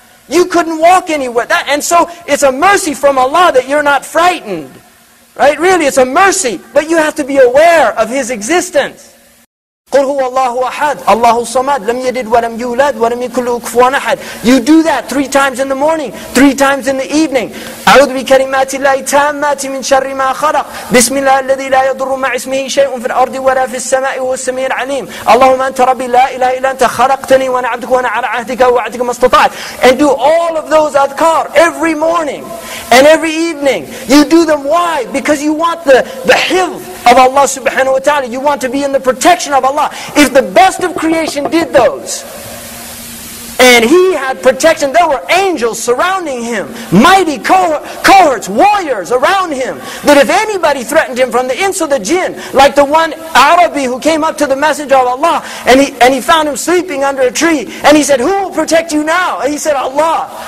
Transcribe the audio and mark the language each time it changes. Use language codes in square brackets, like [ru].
[en] You couldn't walk anywhere. That, and so it's a mercy from Allah that you're not frightened. Right? Really, it's a mercy. But you have to be aware of His existence. [ar] قُلْ هُوَ اللَّهُ أَحَدٌ اللَّهُ الصَّمَدُ لَمْ يَلِدْ وَلَمْ يُولَدْ وَلَمْ يَكُنْ لَهُ كُفُوًا أَحَدٌ. [en] You do that 3 times in the morning, 3 times in the evening. [ar] أعوذ بكلمات الله التامات من شر ما خلق. بسم الله الذي لا يضر مع اسمه شيء في الأرض ولا في السماء وهو السميع العليم. اللهم أنت ربي لا إله إلا أنت خلقتني وأنا عبدك وأنا على عهدك ووعدك ما استطعت. [en] And do all of those adhkar every morning and every evening. You do them, why? Because you want the hifz of Allah subhanahu wa ta'ala. You want to be in the protection of Allah. If the best of creation did those, and He had protection, there were angels surrounding Him, mighty cohorts, warriors around Him, that if anybody threatened Him from the ins or the jinn, like the one Arabi who came up to the Messenger of Allah, and he found him sleeping under a tree, and he said, "Who will protect you now?" And he said, "Allah."